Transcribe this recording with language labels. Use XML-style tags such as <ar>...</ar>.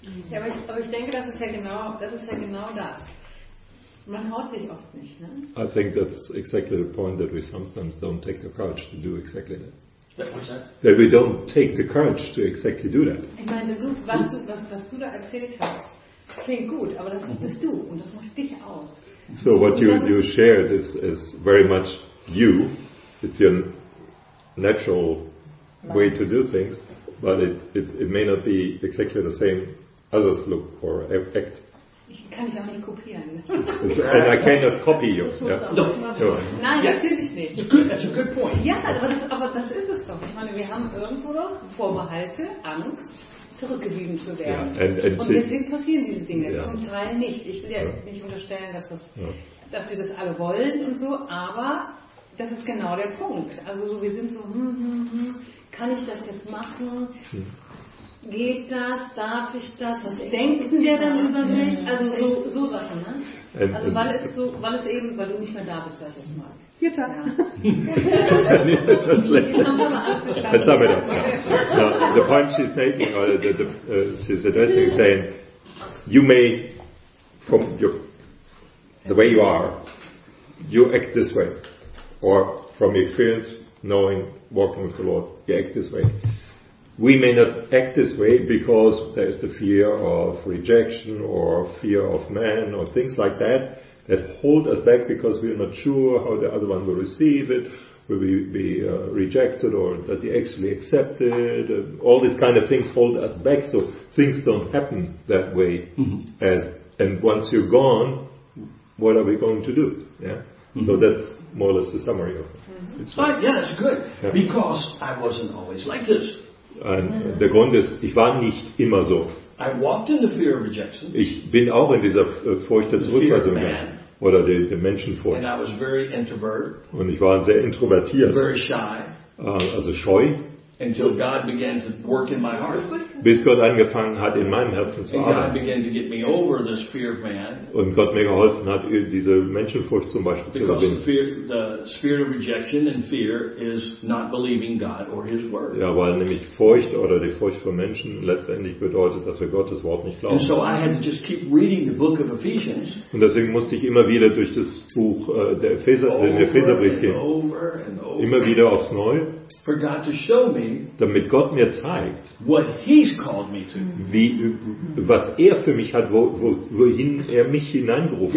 <de>Ja, aber ich denke, das ist ja genau das. Man traut sich oft nicht, ne?</de> <en>I think that's exactly the point that we sometimes don't take the courage to do exactly that. That we don't take the courage to exactly do that.</en> <de>Ich meine, gut, was du da erzählt hast, klingt gut, aber das bist du und das macht dich aus.</de> <en>So what you shared is very much you. It's your natural way to do things, but it may not be exactly the same others look or act.</en> <de>Kann ich auch nicht kopieren.</de> <en>And I cannot copy you. Yeah. No. Sure.</en> <de>Nein,</de> <en>yeah.</en> <de>Natürlich nicht.</de> <en>That's a good point.</en> <de>Ja, aber das ist es doch. Ich meine, wir haben irgendwo noch Vorbehalte, Angst, zurückgewiesen zu werden.</de> <en>Yeah.</en> <de>Und deswegen passieren diese Dinge yeah. zum Teil nicht. Ich will ja yeah. nicht unterstellen, dass wir das alle wollen und so, aber das ist genau der Punkt. Also so, wir sind so, kann ich das jetzt machen? Geht das? Darf ich das? Was denken wir dann über mich? Also so Sachen, ne? Also weil du nicht mehr da bist, sag ich mal.</de> <en>Let's sum it up. No. No, the point she's making, or she's addressing, is saying, you may, from the way you are, you act this way, or from your experience, knowing, walking with the Lord, you act this way. We may not act this way because there is the fear of rejection or fear of man or things like that that hold us back because we are not sure how the other one will receive it, will we be rejected or does he actually accept it. All these kind of things hold us back, so things don't happen that way. Mm-hmm. And once you're gone, what are we going to do? Yeah. Mm-hmm. So that's more or less the summary of it. Mm-hmm. It's like, yeah, that's good. Yeah. Because I wasn't always like this.</en> <de>Und der Grund ist, ich war nicht immer so.</de> <en>I walked in the fear of rejection.</en> <de>Ich bin auch in dieser Furcht der Zurückweisung gegangen. Oder der Menschenfurcht.</de> <en>And I was very introvert.</en> <de>Und ich war sehr introvertiert.</de> <en>Very shy.</en> <de>Also scheu.</de> <en>until God began to work in my heart.</en> <de>Bis Gott angefangen hat, in meinem Herzen zu arbeiten.</de> <en>And God began to get me over this fear of man.</en> <de>Und Gott mir geholfen hat, diese Menschenfurcht zum Beispiel zu überwinden.</de> <en>Because the spirit of rejection and fear is not believing God or His word.</en> <de>Ja, weil nämlich Furcht oder die Furcht vor Menschen letztendlich bedeutet, dass wir Gottes Wort nicht glauben.</de> <en>And so I had to just keep reading the book of Ephesians.</en> <de>Und deswegen musste ich immer wieder durch das Buch den Epheserbrief gehen. Immer wieder aufs Neue.</de> <en>For God to show me,</en> <de>damit Gott mir zeigt,</de> <en>what He's called me to.</en> <de>Was er für mich hat, wohin er mich hineingerufen</de>